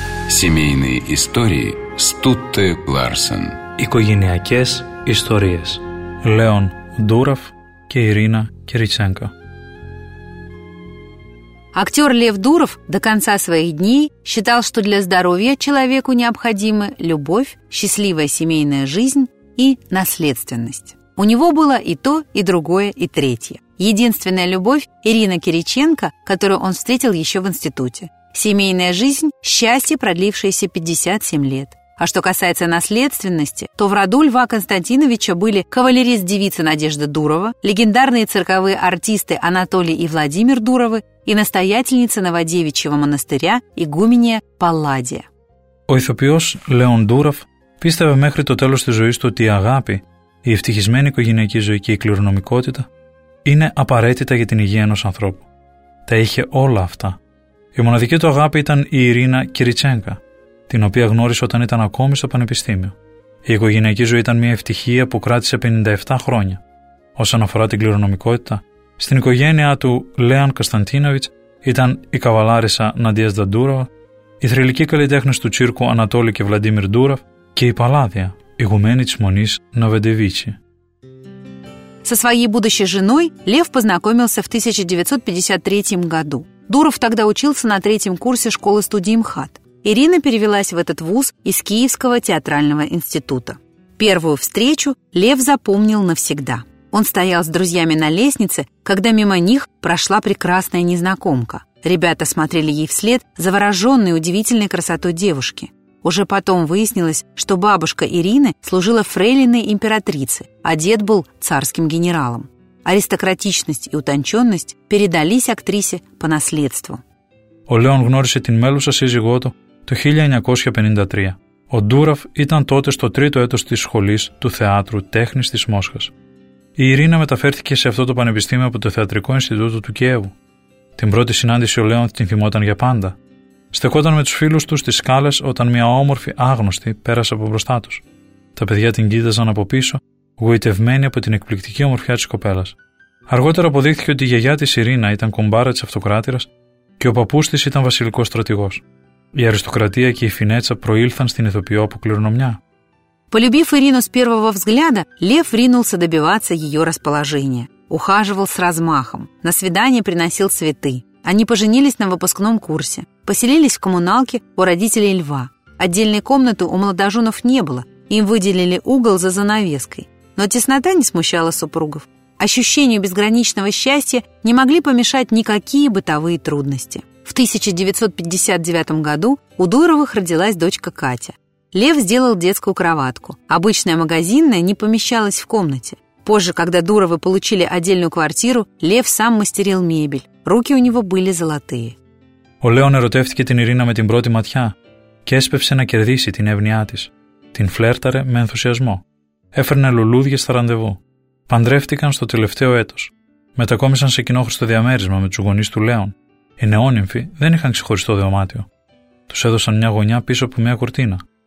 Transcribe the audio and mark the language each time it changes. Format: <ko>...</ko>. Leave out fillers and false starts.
<ru>Семейные истории Стутте Ларсен.</ru> <el>Οικογενειακές ιστορίες. Леон Дуров και Ирина Кириченко.</el> <ru>Актер Лев Дуров до конца своих дней считал, что для здоровья человеку необходимы любовь, счастливая семейная жизнь и наследственность. У него было и то, и другое, и третье. Единственная любовь – Ирина Кириченко, которую он встретил еще в институте. Семейная жизнь – счастье, продлившееся 57 лет. А что касается наследственности, то в роду Льва Константиновича были кавалерист-девица Надежда Дурова, легендарные цирковые артисты Анатолий и Владимир Дуровы и настоятельница Новодевичьего монастыря игуменья Палладия.</ru> <el>Ο ηθοποιός Леон Дуров πίστευε μέχρι το τέλος της ζωής του ότι η αγάπη, η ευτυχισμένη οικογενειακή ζωή και η κληρονομικότητα είναι απαραίτητα για την υγεία ενός ανθρώπου. Τα είχε όλα αυτά. Η μοναδική του αγάπη ήταν η Ειρήνα Κυριτσένκα, την οποία γνώρισε όταν ήταν ακόμη στο πανεπιστήμιο. Η οικογενειακή ζωή ήταν μια ευτυχία που κράτησε 57 χρόνια. Όσον αφορά την κληρονομικότητα, στην οικογένειά του Λέαν Κωνσταντίνοβιτς ήταν η καβαλάρισα Ναντίας Δαντούροβα, η θρηλυκή καλλιτέχνης του τσίρκου Ανατόλη και Βλαντίμιρ Ντούραφ και η Παλάδια, ηγουμένη της μονής Νοβεντεβίτσι.</el> <ru>Со своей будущей женой Лев познакомился в 1953 году. Дуров тогда учился на третьем курсе школы-студии МХАТ. Ирина перевелась в этот вуз из Киевского театрального института. Первую встречу Лев запомнил навсегда. Он стоял с друзьями на лестнице, когда мимо них прошла прекрасная незнакомка. Ребята смотрели ей вслед, завороженные удивительной красотой девушки. Уже потом выяснилось, что бабушка Ирины служила фрейлиной императрицы, а дед был царским генералом. Аристократичность и утонченность передались актрисе по наследству.</ru> <el>Ο Λέων γνώρισε την μέλουσα σύζυγό του το 1953. Ο Ντούραφ ήταν τότε στο τρίτο έτος της σχολής του θεάτρου τέχνης της Μόσχας. Η Ειρήνα μεταφέρθηκε σε αυτό το πανεπιστήμιο από το Θεατρικό Ινστιτούτο του Κιέβου. Την πρώτη συνάντηση ο Λέων την θυμόταν για πάντα. Στεκόταν με τους φίλους του στις σκάλες όταν μια όμορφη άγνωστη πέρασε από μπροστά τους. Τα παιδιά την κοίταζαν από πίσω, γοητευμένοι από την εκπληκτική ομορφιά της κοπέλας. Αργότερα αποδείχθηκε ότι η γιαγιά της Ειρήνα ήταν κουμπάρα της Αυτοκράτηρας και ο παππούς της ήταν βασιλικός στρατηγός. Η αριστοκρατία και η φινέτσα προήλθαν στην ηθοποιό από κληρονομιά.</el> <ru>Полюбив Ирину с первого взгляда, Лев ринулся добиваться ее расположения. Ухаживал с размахом, на свидание приносил цветы. Они поженились на выпускном курсе, поселились в коммуналке у родителей Льва. Отдельной комнаты у молодоженов не было, им выделили угол за занавеской. Но теснота не смущала супругов. Ощущению безграничного счастья не могли помешать никакие бытовые трудности. В 1959 году у Дуровых родилась дочка Катя. Лев сделал детскую кроватку. Обычная магазинная не помещалась в комнате. Позже, когда Дуровы получили отдельную квартиру, Лев сам мастерил мебель. Руки у него были золотые.</ru> <el>Ο Λέων ερωτεύτηκε την Ειρήνα με την πρώτη ματιά και έσπευσε να κερδίσει την εύνοιά της. Την φλέρταρε με ενθουσιασμό. Έφερνε λουλούδια στα ραντεβού. Παντρεύτηκαν στο τελευταίο έτος. Μετακόμισαν σε κοινόχρηστο διαμέρισμα με τους γονείς του Λέων. Οι νεόνυμφοι δεν είχαν ξεχωριστό δωμάτιο. Τους έδωσαν μια γωνιά πίσω από μια κουρτίνα.</el>